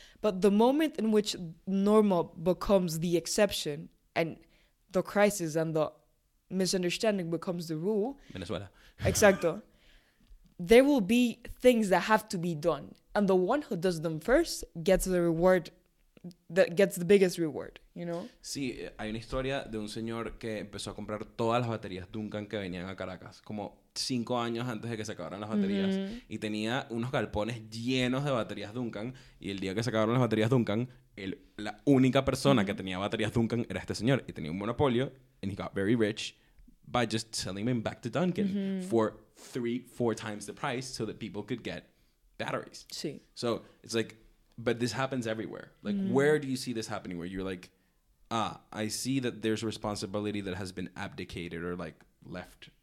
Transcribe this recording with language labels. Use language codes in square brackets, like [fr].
[en] But the moment in which normal becomes the exception and the crisis and the misunderstanding becomes the rule. Venezuela. [es] Exacto. [en] There will be things that have to be done. And the one who does them first gets the reward, that gets the biggest reward, you know? [es] Sí, hay una historia de un señor que empezó a comprar todas las baterías Duncan que venían a Caracas, como 5 años antes de que se acabaran las baterías. Mm-hmm. Y tenía unos galpones llenos de baterías Duncan. Y el día que se acabaron las baterías Duncan, la única persona mm-hmm. que tenía baterías Duncan era este señor. Y tenía un monopolio. [en] And he got very rich by just selling them back to Duncan mm-hmm. for 3-4 times the price so that people could get batteries. [es] Sí. [en] So it's like, but this happens everywhere. Like, mm-hmm. where do you see this happening where you're like, ah, I see that there's responsibility that has been abdicated or like left?